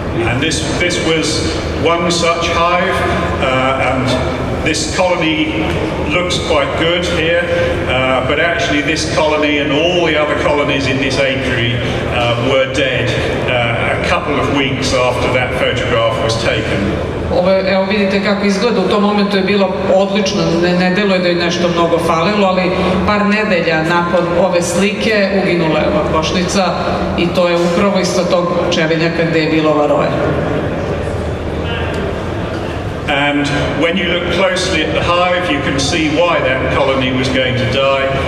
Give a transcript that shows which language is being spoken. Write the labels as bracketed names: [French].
[English] And this was one such hive, and this colony looks quite good here, but actually this colony and all the other colonies in this apiary were dead. A couple couple of weeks after that photograph was taken. [Serbian] Evo vidite kako izgleda, u tom momentu je bila odlična, ne deluje da je nešto mnogo falilo, ali par nedelja nakon ove slike uginula je ova košnica i to je upravo isto tog čevenjaka gde je bilo varoje. [English] And when you look closely at the hive, you can see why that colony was going to die.